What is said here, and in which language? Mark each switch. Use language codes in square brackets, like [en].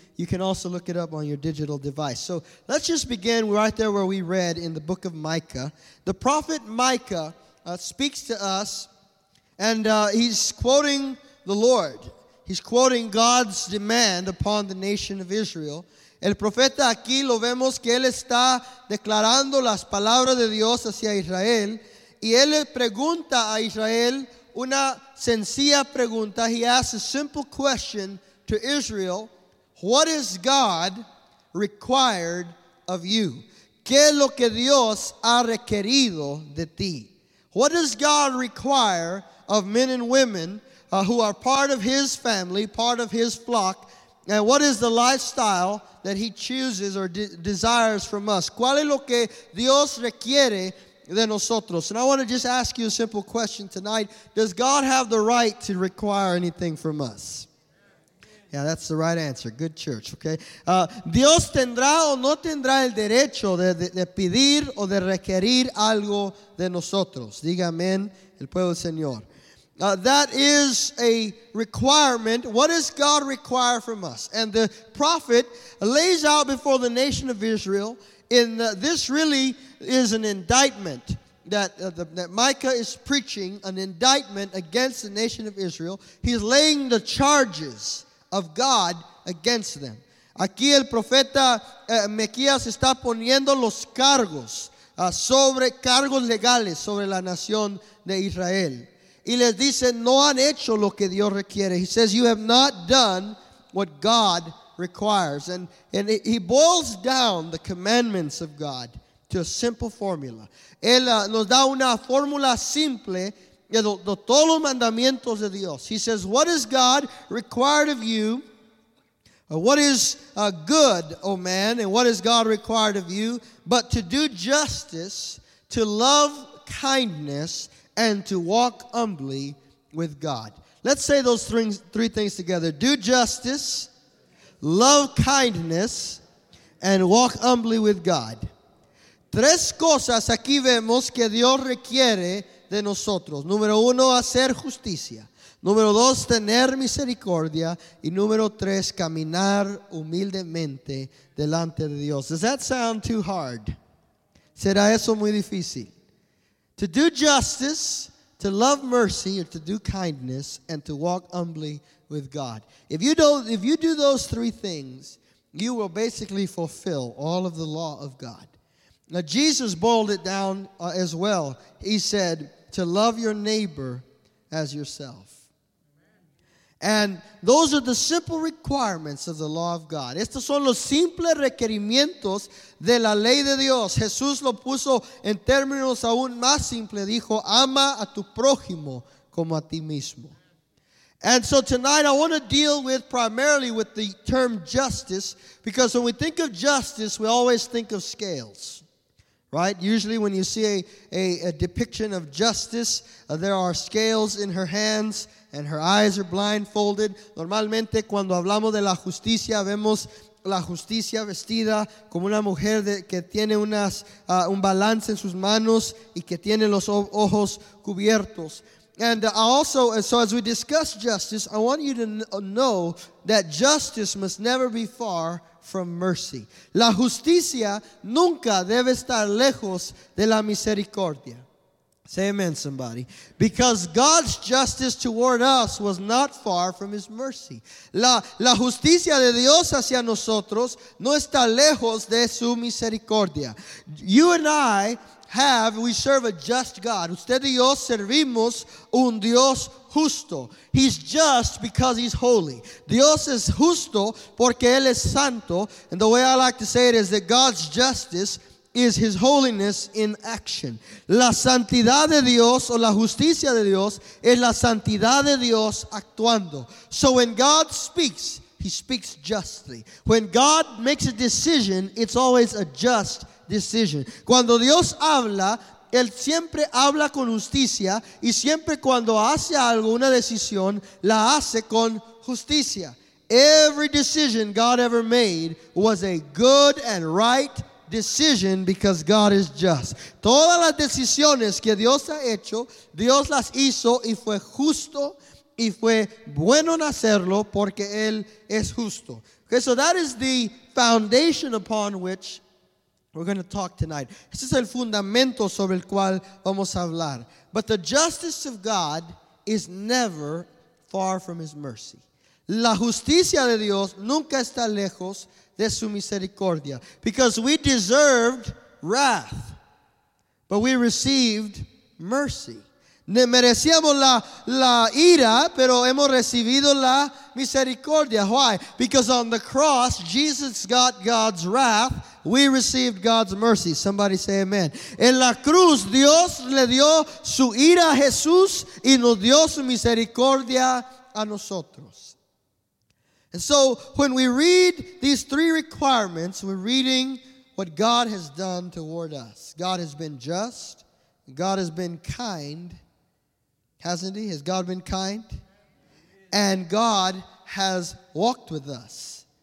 [en] You can also look it up on your digital device. So let's just begin right there where we read in the book of Micah. The prophet Micah speaks to us, and he's quoting the Lord. He's quoting God's demand upon the nation of Israel. [es] El profeta aquí lo vemos que él está declarando las palabras de Dios hacia Israel. Y él le pregunta a Israel una sencilla pregunta. [en] He asks a simple question to Israel. What is God required of you? [es] ¿Qué es lo que Dios ha requerido de ti? [en] What does God require of men and women who are part of his family, part of his flock? And what is the lifestyle that he chooses or desires from us? [es] ¿Cuál es lo que Dios requiere de nosotros? [en] And I want to just ask you a simple question tonight. Does God have the right to require anything from us? Yeah, that's the right answer. Good church, okay? [es] ¿Dios tendrá o no tendrá el derecho de pedir o de requerir algo de nosotros? Diga amén, el pueblo del Señor. [en] That is a requirement. What does God require from us? And the prophet lays out before the nation of Israel, in this really is an indictment that Micah is preaching, an indictment against the nation of Israel. He's laying the charges of God against them. [es] Aquí el profeta Miqueas está poniendo los cargos, sobre cargos legales sobre la nación de Israel. Y les dice, no han hecho lo que Dios requiere. [en] He says, you have not done what God requires. And he boils down the commandments of God to a simple formula. [es] Él nos da una fórmula simple de todos los mandamientos de Dios. [en] He says, what is God required of you What is good, O man, and what is God required of you, but to do justice, to love kindness, and to walk humbly with God? Let's say those three things together. Do justice, love kindness, and walk humbly with God. [es] Tres cosas aquí vemos que Dios requiere de nosotros. Número uno, hacer justicia. Número dos, tener misericordia. Y número tres, caminar humildemente delante de Dios. [en] Does that sound too hard? [es] ¿Será eso muy difícil? [en] To do justice, to love mercy, or to do kindness, and to walk humbly with God. If you do those three things, you will basically fulfill all of the law of God. Now, Jesus boiled it down as well. He said, to love your neighbor as yourself. And those are the simple requirements of the law of God. [es] Estos son los simples requerimientos de la ley de Dios. Jesús lo puso en términos aún más simples. Dijo, ama a tu prójimo como a ti mismo. [en] And so tonight I want to deal with primarily with the term justice, because when we think of justice, we always think of scales. Right? Usually when you see a depiction of justice, there are scales in her hands and her eyes are blindfolded. [es] Normalmente cuando hablamos de la justicia, vemos la justicia vestida como una mujer que tiene un balance en sus manos y que tiene los ojos cubiertos. [en] And so as we discuss justice, I want you to know that justice must never be far from mercy. [es] La justicia nunca debe estar lejos de la misericordia. [en] Say amen, somebody. Because God's justice toward us was not far from his mercy. [es] La justicia de Dios hacia nosotros no está lejos de su misericordia. [en] You and I we serve a just God. [es] Usted y yo servimos un Dios justo. [en] He's just because he's holy. [es] Dios es justo porque él es santo. [en] And the way I like to say it is that God's justice is his holiness in action. [es] La santidad de Dios o la justicia de Dios es la santidad de Dios actuando. [en] So when God speaks, he speaks justly. When God makes a decision, it's always a just decision. [es] Cuando Dios habla, él siempre habla con justicia, y siempre cuando hace alguna decisión, la hace con justicia. [en] Every decision God ever made was a good and right decision because God is just. [es] Todas las decisiones que Dios ha hecho, Dios las hizo y fue justo y fue bueno en hacerlo porque él es justo. [en] Okay, so that is the foundation upon which we're going to talk tonight. [es] Este es el fundamento sobre el cual vamos a hablar. [en] But the justice of God is never far from his mercy. [es] La justicia de Dios nunca está lejos de su misericordia. [en] Because we deserved wrath, but we received mercy. [es] Merecíamos la ira, pero hemos recibido la misericordia. [en] Why? Because on the cross, Jesus got God's wrath. We received God's mercy. Somebody say amen. [es] En la cruz, Dios le dio su ira a Jesús y nos dio su misericordia a nosotros. [en] And so when we read these three requirements, we're reading what God has done toward us. God has been just. God has been kind. Hasn't he? Has God been kind? And God has walked with us.